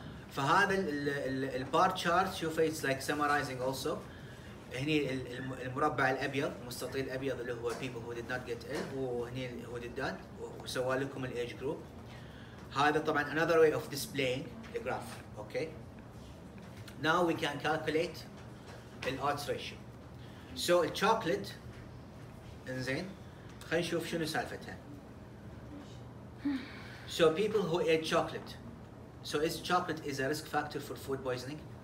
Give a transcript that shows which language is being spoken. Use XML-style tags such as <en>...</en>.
<ar>فهذا البار تشارت شوف</ar> <en>it's like summarizing also.</en> <ar>هني المربع الابيض مستطيل الابيض اللي هو</ar> <en>people who did not get ill</en> <ar>وهني</ar> <en>who did not.</en> <ar>وسوى لكم الايج جروب. هذا طبعا</ar> <en>another way of displaying the graph. okay now we can calculate the odds ratio.</en> <ar>so الشوكليت انزين خلينا نشوف شنو سالفتها.</ar> <en>so people who ate chocolate, so is chocolate is a risk factor for food poisoning?</en>